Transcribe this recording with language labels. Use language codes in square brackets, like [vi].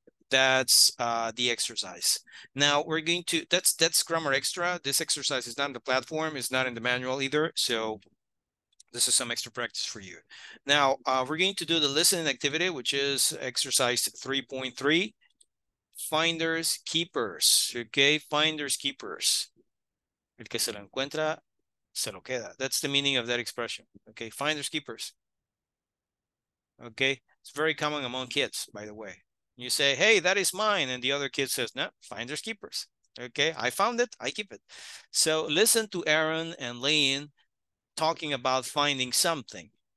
[en] That's the exercise. Now we're going to, that's grammar extra. This exercise is not in the platform, it's not in the manual either. So this is some extra practice for you. Now we're going to do the listening activity, which is exercise 3.3, finders keepers, okay? Finders keepers. [es] El que se lo encuentra, se lo queda. [en] That's the meaning of that expression, okay? Finders keepers, okay? It's very common among kids, by the way. You say, hey, that is mine. And the other kid says, no, finders keepers. Okay, I found it, I keep it. So listen to Aaron and Lane talking about finding something.